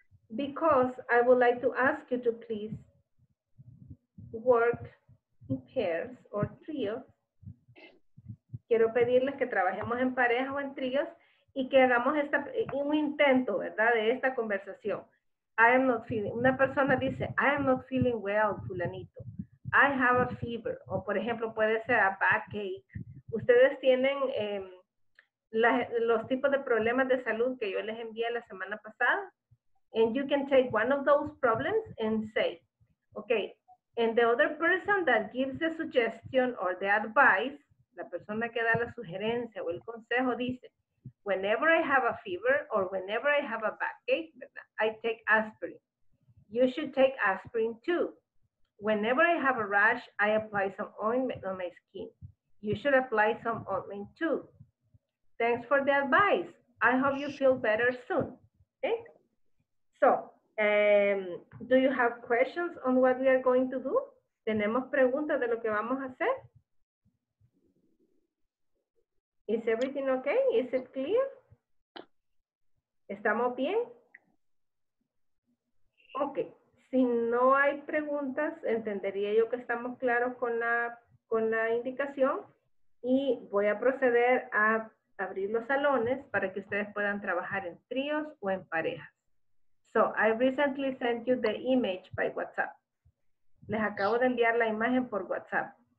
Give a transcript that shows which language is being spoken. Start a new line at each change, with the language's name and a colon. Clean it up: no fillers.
English: Because I would like to ask you to please work in pairs or trios.
Spanish: Quiero pedirles que trabajemos en pareja o en tríos y que hagamos un intento, ¿verdad?, de esta conversación.
English: I am not feeling,
Spanish: una persona dice,
English: I am not feeling well, fulanito. I have a fever.
Spanish: O, por ejemplo, puede ser
English: a backache.
Spanish: Ustedes tienen los tipos de problemas de salud que yo les envié la semana pasada.
English: And you can take one of those problems and say, okay, and the other person that gives the suggestion or the advice,
Spanish: la persona que da la sugerencia o el consejo dice,
English: whenever I have a fever or whenever I have a backache, ¿verdad? I take aspirin. You should take aspirin too. Whenever I have a rash, I apply some ointment on my skin. You should apply some ointment too. Thanks for the advice. I hope you feel better soon. Okay? So, do you have questions on what we are going to do?
Spanish: ¿Tenemos preguntas de lo que vamos a hacer?
English: Is everything okay? Is it clear?
Spanish: ¿Estamos bien?
English: Okay.
Spanish: Si no hay preguntas, entendería yo que estamos claros con la indicación y voy a proceder a abrir los salones para que ustedes puedan trabajar en tríos o en parejas.
English: So, I recently sent you the image by WhatsApp.
Spanish: Les acabo de enviar la imagen por WhatsApp.